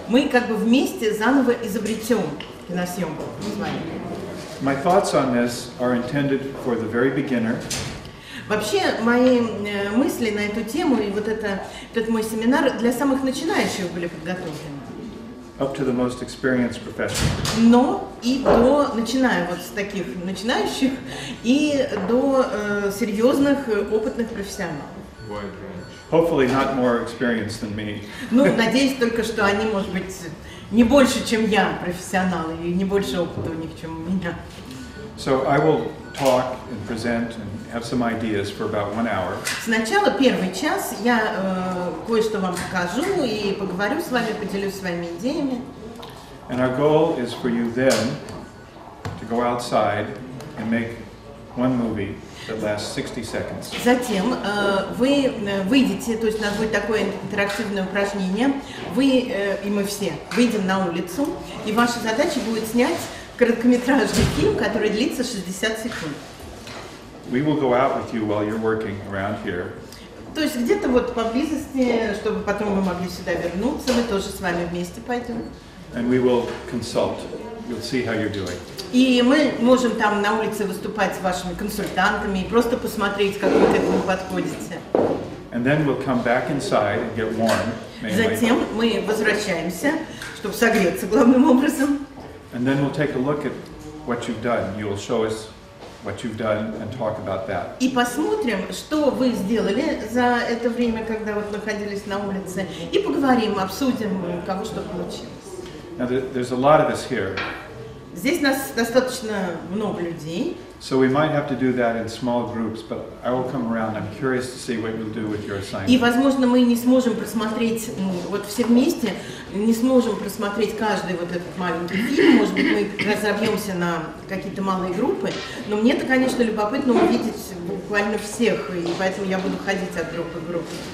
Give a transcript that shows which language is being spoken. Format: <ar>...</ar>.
<ru>Мы как бы вместе заново изобретем киносъемку.</ru> <en>My thoughts on this are intended for the very beginner.</en> <ru>Вообще, мои мысли на эту тему и вот этот мой семинар для самых начинающих были подготовлены.</ru> <en>Up to the most experienced professional.</en> <ru>Но и до, начиная вот с таких начинающих, и до серьезных, опытных профессионалов.</ru> <en>Hopefully not more experienced than me.</en> <ru>Ну, надеюсь только, что они, может быть, не больше, чем я, профессионалы, и не больше опыта у них, чем у меня.</ru> <en>So I will talk and present and have some ideas for about 1 hour.</en> <ru>Сначала первый час я кое-что вам покажу и поговорю с вами, поделюсь своими идеями.</ru> <en>And our goal is for you then to go outside and make one movie that lasts 60 seconds.</en> <ru>Затем вы выйдете, то есть у нас будет такое интерактивное упражнение, вы и мы все выйдем на улицу, и ваша задача будет снять короткометражный фильм, который длится 60 секунд.</ru> <en>We will go out with you while you're working around here.</en> <ru>То есть где-то вот поблизости, чтобы потом вы могли сюда вернуться, мы тоже с вами вместе пойдем.</ru> <en>And we will consult. You'll see how you're doing.</en> <ru>И мы можем там на улице выступать с вашими консультантами и просто посмотреть, как вы к этому подходите.</ru> <en>And then we'll come back inside and get warm.</en> <ru>Затем мы возвращаемся, чтобы согреться главным образом.</ru> <en>And then we'll take a look at what you've done. You'll show us what you've done and talk about that.</en> <ru>И посмотрим, что вы сделали за это время, когда вот находились на улице, и поговорим, обсудим, как что получилось.</ru> <en>Now there's a lot of us here.</en> <ru>Здесь нас достаточно много людей.</ru> <en>So we might have to do that in small groups, but I will come around. I'm curious to see what you'll do with your assignment.</en> <ru>И возможно, мы не сможем просмотреть вот все вместе, не сможем просмотреть каждый вот этот маленький фильм. Может быть, мы разобьемся на какие-то малые группы. Но мне-то, конечно, любопытно увидеть буквально всех, и поэтому я буду ходить от группы к группе.</ru>